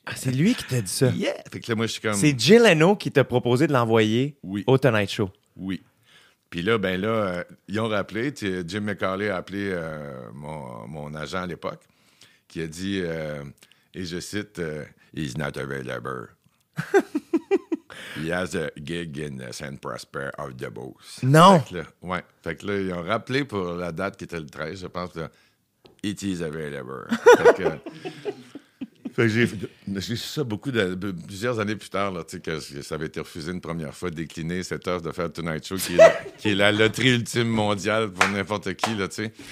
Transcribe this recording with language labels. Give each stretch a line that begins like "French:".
French: Ah, c'est lui qui t'a dit ça? Yeah! Fait que là, moi, je suis comme... C'est Jay Leno qui t'a proposé de l'envoyer, oui, au Tonight Show. Oui. Puis là, ben là, ils ont rappelé, Jim McCauley a appelé mon agent à l'époque, qui a dit... Et je cite,
English: he's not available. He has a gig in San Prosper of the Bose.
French: Non! Fait là, ouais. Fait que là, ils ont rappelé pour la date qui était le 13, je pense, là,
English: it is available.
French: j'ai ça beaucoup de. Plusieurs années plus tard, là, tu sais, que ça avait été refusé une première fois, décliné cette offre de faire Tonight Show, qui est la loterie ultime mondiale pour n'importe qui, là, tu sais.